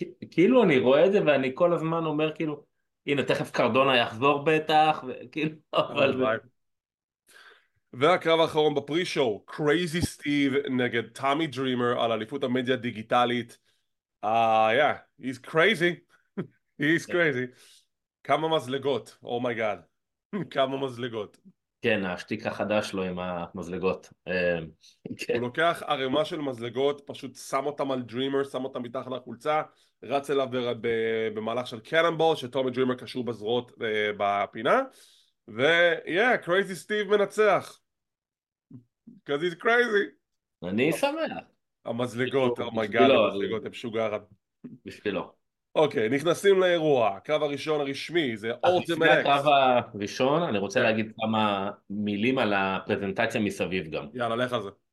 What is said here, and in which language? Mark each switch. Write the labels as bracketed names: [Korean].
[Hebrew] כאילו אני רואה את זה ואני כל הזמן אומר כאילו, הנה תכף קרדונה יחזור בטח, וכאילו, אבל... והקרב האחרון בפרי-שואו, Crazy Steve נגד Tommy Dreamer על אליפות המדיה הדיגיטלית. [English] Yeah, he's crazy. he's crazy. [Hebrew] כמה מזלגות, [English] oh my god. [Hebrew] כמה מזלגות. כן, השתיק החדש לו עם המזלגות. הוא לוקח ערימה של מזלגות, פשוט שם אותם על Dreamer, שם אותם מתחת לחולצה, רץ אליו במהלך של Cannonball, שטומי Dreamer קשור בזרועות בפינה. ו... [English] yeah, [Hebrew] Crazy Steve מנצח. [English] Because he's crazy. [Hebrew] אני שמח. המזלגות, [English] oh my god, [Hebrew] המזלגות, הם שוגרים. בשבילו. אוקיי, נכנסים לאירוע. הקרב הראשון הרשמי, זה Ultimate X. לפני הקרב הראשון, אני רוצה להגיד כמה מילים על הפרזנטציה מסביב גם. יאללה, לך על זה.